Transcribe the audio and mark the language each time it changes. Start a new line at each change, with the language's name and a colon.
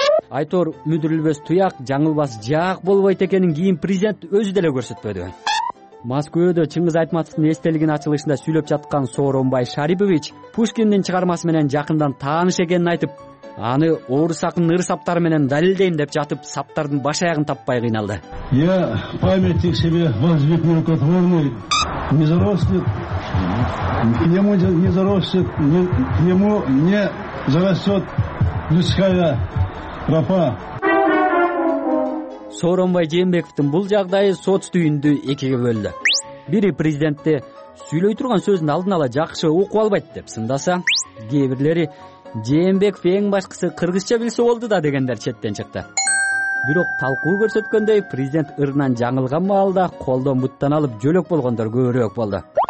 Kyrgyz: Айтор мүдүрүлбөс туяк, жаңылбас жаак болбойт экенин кийин президент өзү деле көрсөтпөдү. Москвада Чыңгыз Айтматовдун эстелигинин ачылышында сүйлөп жаткан Сооронбай Шарипович Пушкиндин чыгармасы менен жакындан тааныш экенин айтып, аны орус акынын ыр саптары менен далилдейм деп жатып, саптардын баш аягын таппай кыйналды.
Russian: Я памятник себе воздвиг нерукотворный, не заросли, к нему не заросли, к нему не зарастет людская тропа.
Kyrgyz: Сооронбай Жээнбековдун бул жагдайы соц түйүндү экиге бөлдү. Бири президентти сүйлөй турган сөзүн алдын ала жакшы окуп албайт деп сындаса, кээ бирлери Жээнбеков эң башкысы кыргызча билсе болду да дегендер четтен чыкты. Бирок талкуу көрсөткөндөй президент ырынан жаңылган маалда колдон буттан алып жөлөк болгондор көбүрөөк болду.